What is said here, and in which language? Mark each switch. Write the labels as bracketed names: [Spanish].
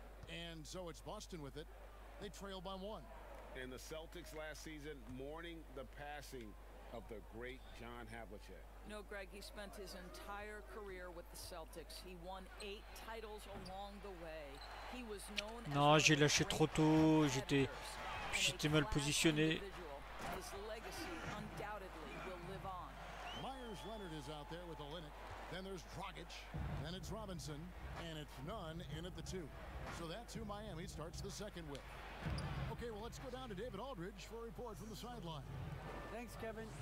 [English] And so it's Boston with it. They trail by one. And the Celtics last season mourning the passing of the great John Havlicek. No, Greg, he spent his entire career with the Celtics. He won 8 titles along the way. He was known as. [French] Non, j'ai lâché trop tôt, j'étais mal positionné. [English] His legacy undoubtedly will live on. Myers Leonard is out there with a Linux. Then there's Dragic, then it's Robinson, and it's Nunn in at the 2. So that's who Miami starts the second with. Okay, well, let's go down to David Aldridge for a report from the sideline. Thanks, Kevin.